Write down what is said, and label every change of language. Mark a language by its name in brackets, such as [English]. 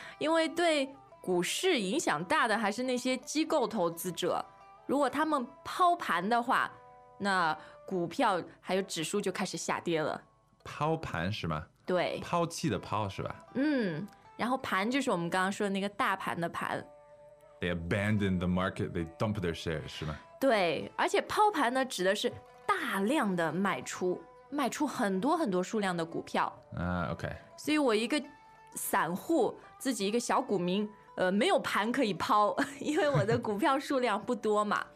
[Chinese] 因为对股市影响大的还是那些机构投资者，如果他们抛盘的话，那股票还有指数就开始下跌了。抛盘是吗？对，抛弃的抛是吧？然后盘就是我们刚刚说的那个大盘的盘。 [English] They abandon the market, they dump their shares [Chinese] 是吗？对，而且抛盘呢指的是大量的卖出，卖出很多很多数量的股票。 OK，所以我一个散户，自己一个小股民，没有盘可以抛，因为我的股票数量不多嘛。